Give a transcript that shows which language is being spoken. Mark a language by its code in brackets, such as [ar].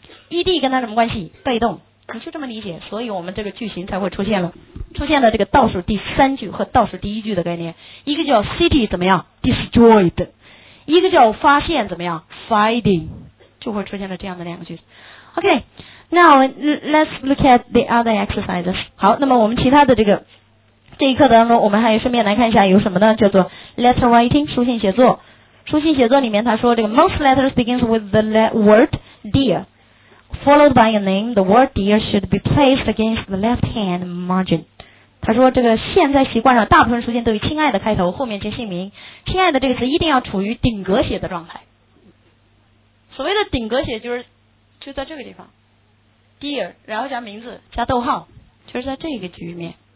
[zh] ed 跟他什么关系？被动。你是这么理解，所以我们这个句型才会出现了，出现了这个倒数第三句和倒数第一句的概念。一个叫 city 怎么样？ destroyed。 一个叫发现怎么样？finding。就会出现了这样的两个句子。 [en] OK, now let's look at the other exercises. [zh] 好，那么我们其他的这个这一课当中，我们还顺便来看一下有什么呢，叫做 letter writing， 书信写作。书信写作里面他说这个 [en] most letters begins with the word dear followed by a name. The word dear should be placed against the left hand margin. [zh] 他说这个现在习惯上大部分书信都以亲爱的开头，后面接姓名。亲爱的这个词一定要处于顶格写的状态。所谓的顶格写就是就在这个地方 dear 然后加名字加逗号，就是在这个局面。